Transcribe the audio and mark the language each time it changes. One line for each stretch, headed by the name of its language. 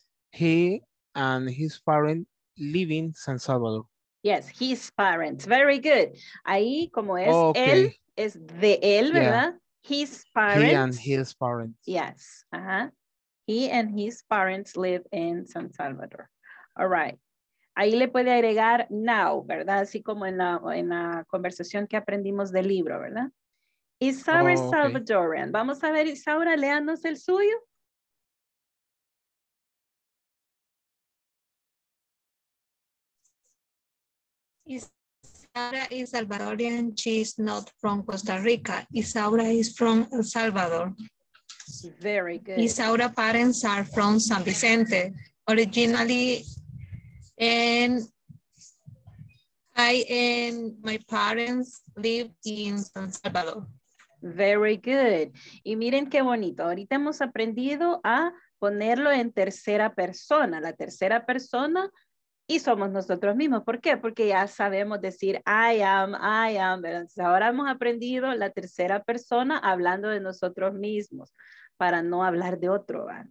English: He and his parents live in San Salvador. Yes, his parents. Very good.
Spanish: Ahí, como es,
English: oh, okay.
Spanish: Él es de él, ¿verdad?
English: Yeah. His parents. He and his parents. Yes. Uh-huh. He and his parents live in San Salvador. All right.
Spanish: Ahí le puede agregar now, ¿verdad? Así como en la conversación que aprendimos del libro, ¿verdad? Isaura, oh, okay. Salvadorian. Vamos a ver, Isaura, léanos el suyo.
English: Isaura is Salvadorian. She is not from Costa Rica. Isaura is from El Salvador. Very good. Isaura's parents are from San Vicente. Originally, and I and my parents live in San Salvador. Very good.
Spanish: Y miren qué bonito. Ahorita hemos aprendido a ponerlo en tercera persona. La tercera persona. Y somos nosotros mismos. ¿Por qué? Porque ya sabemos decir
English: I am,
Spanish: ¿verdad? Entonces ahora hemos aprendido la tercera persona hablando de nosotros mismos para no hablar de otro, ¿verdad?